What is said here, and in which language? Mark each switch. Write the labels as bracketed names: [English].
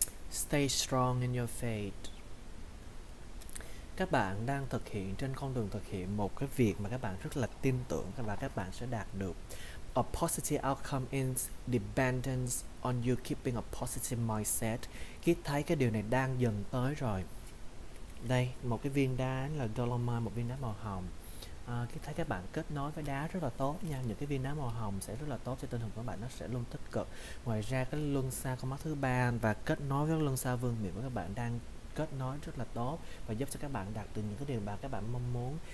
[English] Stay strong in your faith. [Vietnamese] Các bạn đang thực hiện trên con đường thực hiện một cái việc mà các bạn rất là tin tưởng và các bạn sẽ đạt được. [English] A positive outcome is dependent on you keeping a positive mindset. [Vietnamese] Khi thấy cái điều này đang dần tới rồi. Đây, một cái viên đá là Dolomite, một viên đá màu hồng. Khi thấy các bạn kết nối với đá rất là tốt nha, những cái viên đá màu hồng sẽ rất là tốt cho tinh thần của bạn, nó sẽ luôn tích cực. Ngoài ra cái luân xa con mắt thứ ba và kết nối với luân xa vương miện của các bạn đang kết nối rất là tốt và giúp cho các bạn đạt được những cái điều mà các bạn mong muốn.